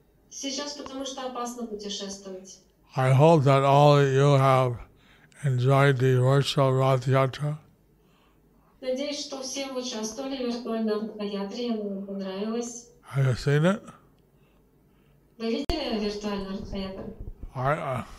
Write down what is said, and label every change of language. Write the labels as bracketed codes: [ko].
[ru] Сейчас, потому что опасно путешествовать. [en] I hope that all of you have enjoyed the virtual Ratha Yatra. [ru] Надеюсь, что все участвовали в виртуальном Ратхаятре, вам понравилось. [en] Have you seen it? [ru] Вы видели виртуальный Ратхаятр?